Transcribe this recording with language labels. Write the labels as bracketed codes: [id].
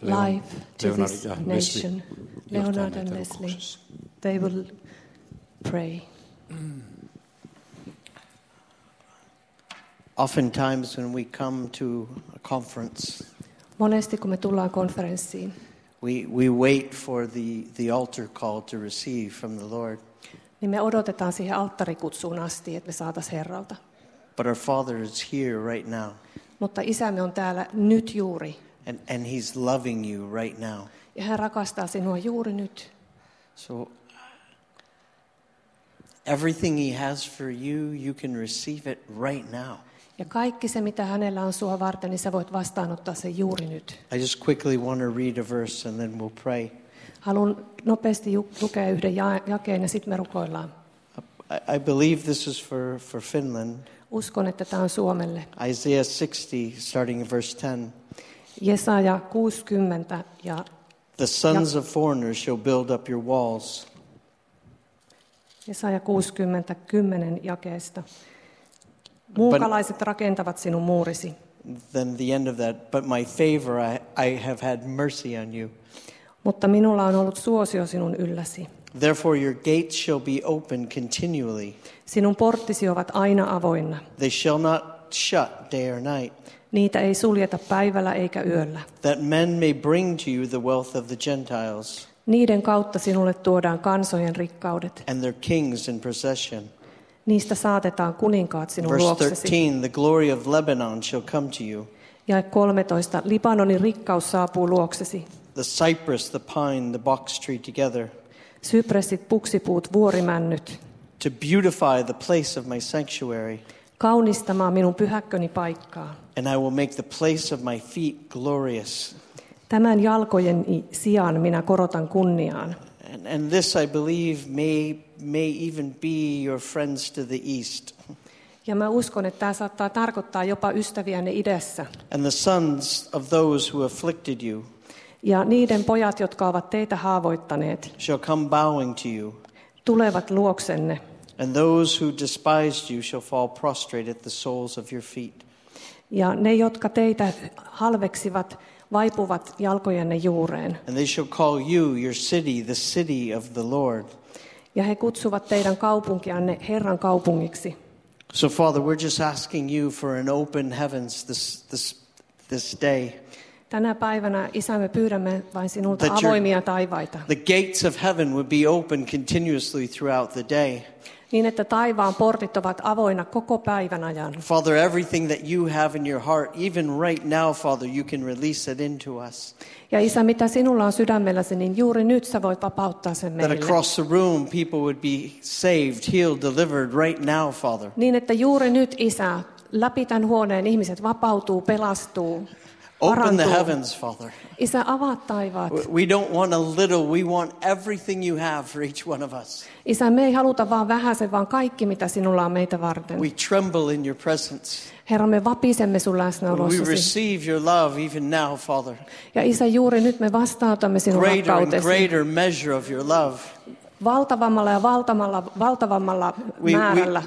[en] Life to Leonard this nation. Leonard and Leslie. They will pray. Oftentimes when we come to a conference, [fi] monesti kun me tullaan konferenssiin, [en] we wait for the altar call to receive from the Lord. [fi] Niin me odotetaan siihen alttarikutsuun asti, että me saatais Herralta. [en] But our Father is here right now. [fi] Mutta isämme on täällä nyt juuri. [en] And he's loving you right now. [fi] Ja hän rakastaa sinua juuri nyt. [en] So everything he has for you, you can receive it right now. [fi] Ja kaikki se, mitä hänellä on sua varten, niin sä voit vastaanottaa se juuri nyt. [en] I just quickly want to read a verse and then we'll pray. [fi] Haluan nopeasti lukea yhden jakeen ja sitten me rukoillaan. [en] I believe this is for Finland. [fi] Uskon, että tämä on Suomelle. [en] Isaiah 60, starting in verse 10. [fi] Jesaja 60 ja... [en] The sons of foreigners shall build up your walls. [fi] Jesaja 60, 10 jakeesta. Muukalaiset rakentavat sinun muurisi. [en] Then the end of that, but my favor, I have had mercy on you. [fi] Mutta minulla on ollut suosio sinun ylläsi. [en] Therefore your gates shall be open continually. [fi] Sinun porttisi ovat aina avoinna. [en] They shall not shut day or night. [fi] Niitä ei suljeta päivällä eikä yöllä. [en] That men may bring to you the wealth of the Gentiles. [fi] Niiden kautta sinulle tuodaan kansojen rikkaudet. [en] And their kings in procession. [fi] Niistä saatetaan kuninkaat sinun luoksesi. [en] Verse 13, the glory of Lebanon shall come to you. [fi] Ja 13, Libanonin rikkaus saapuu luoksesi. [en] The cypress, the pine, the box tree together. [fi] Sypressit, puksipuut, vuorimännyt. [en] To beautify the place of my sanctuary. [fi] Kaunistamaan minun pyhäkköni paikkaa. [en] And I will make the place of my feet glorious. [fi] Tämän jalkojen sijaan minä korotan kunniaan. [en] And this I believe may even be your friends to the east. [fi] Ja mä uskon, että tämä saattaa tarkoittaa jopa ystäviänne idässä. [en] And the sons of those who afflicted you. [fi] Ja niiden pojat, jotka ovat teitä haavoittaneet. [en] Shall come bowing to you. [fi] Tulevat luoksenne. [en] And those who despised you shall fall prostrate at the soles of your feet. [fi] Ja ne, jotka teitä halveksivat, vaipuvat jalkojenne juureen. [en] And they shall call you your city, the city of the Lord. [fi] Ja he kutsuvat teidän kaupunkianne Herran kaupungiksi. [en] So Father, we're just asking you for an open heavens this day. [fi] Tänä päivänä Isä, me pyydämme vain sinulta avoimia taivaita. [en] The gates of heaven would be open continuously throughout the day. [fi] Niin että taivaan portit ovat avoinna koko päivän ajan. [en] Father, everything that you have in your heart, even right now, Father, you can release it into us. [fi] Ja Isä, mitä sinulla on sydämelläsi, niin juuri nyt sä voit vapauttaa sen meille. [en] That across the room people would be saved, healed, delivered right now, Father. [fi] Niin että juuri nyt, Isä, läpi tämän huoneen ihmiset vapautuu, pelastuu. [en] Open the heavens, Father. [fi] Isä, avaa taivaat. [en] We don't want a little, we want everything you have for each one of us. [fi] Isä, me ei haluta vaan vähäsen, vaan kaikki mitä sinulla on meitä varten. [en] We tremble in your presence. [fi] Herra, me vapisemme sun läsnäolossasi. [en] We receive your love even now, Father. [fi] Ja Isä, juuri nyt me vastaanotamme sinun [en] greater [fi] rakkautesi. [en] And greater measure of your love. [fi] Valtavammalla ja valtavammalla määrällä.